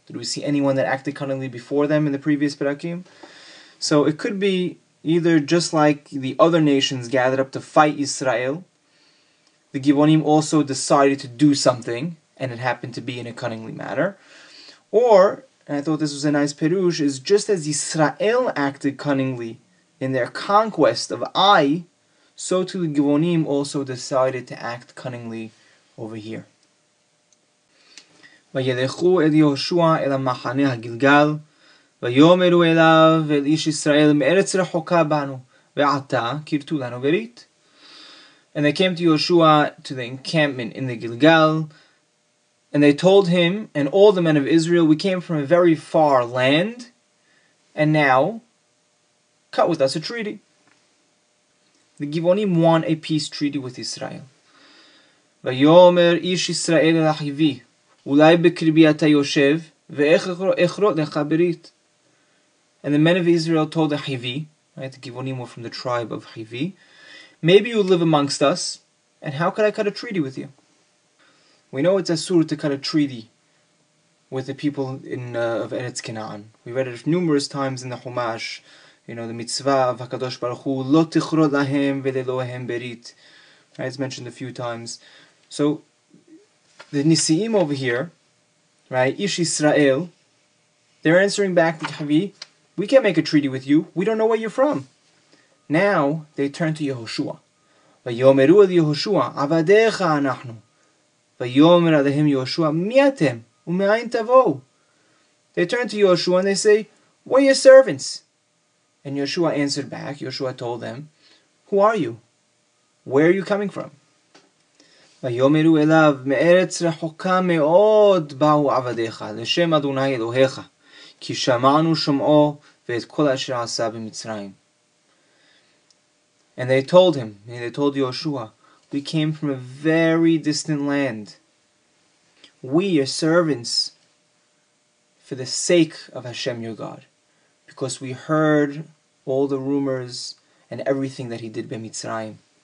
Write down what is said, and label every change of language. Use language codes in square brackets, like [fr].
[en] Did we see anyone that acted cunningly before them in the previous Perakim? So it could be either just like the other nations gathered up to fight Israel, the Givonim also decided to do something, and it happened to be in a cunningly manner. Or, and I thought this was a nice perush, is just as Israel acted cunningly in their conquest of Ai, so too the Givonim also decided to act cunningly over here. [he] וילכו אל יהושע אל המחנה הגלגל, ויאמרו אליו אל איש ישראל מארץ רחוקה בנו, ועתה כירתו לנו ברית. [en] And they came to Yehoshua to the encampment in the Gilgal, and they told him and all the men of Israel, we came from a very far land, and now cut with us a treaty. The Givonim won a peace treaty with Israel. [he] ויאמר איש ישראל אל אחיו, אולי בקרבי אתה יושב, ואיך אכרות לך ברית? [en] And the men of Israel told Ahivi, right, the Givonim were from the tribe of Ahivi, maybe you live amongst us, and how could I cut a treaty with you? We know it's Asur to cut a treaty with the people of Eretz Canaan. We read it numerous times in the Chumash, you know, the mitzvah of HaKadosh Baruch Hu, [he] לא תכרות להם ולאלוהם ברית. [en] It's mentioned a few times. So, the Nisi'im over here, right, Ish Israel, they're answering back to Chavi, we can't make a treaty with you, we don't know where you're from. Now, they turn to Yehoshua. [he] ויאמרו אל יהושע, עבדיך אנחנו. ויאמר אליהם יהושע, מי אתם? ומאין תבואו? [en] They turn to Yahushua and they say, we're your servants. And Yahushua answered back, Yahushua told them, who are you? Where are you coming from? [he] ויאמרו אליו, מארץ רחוקה מאוד באו עבדיך, לשם אדוני אלוהיך, כי שמענו שומעו ואת כל אשר עשה במצרים. [en] And they told him, and they told Yahushua, we came from a very distant land. We, your servants, for the sake of Hashem, your God, because we heard all the rumors and everything that he did by Mitzrayim.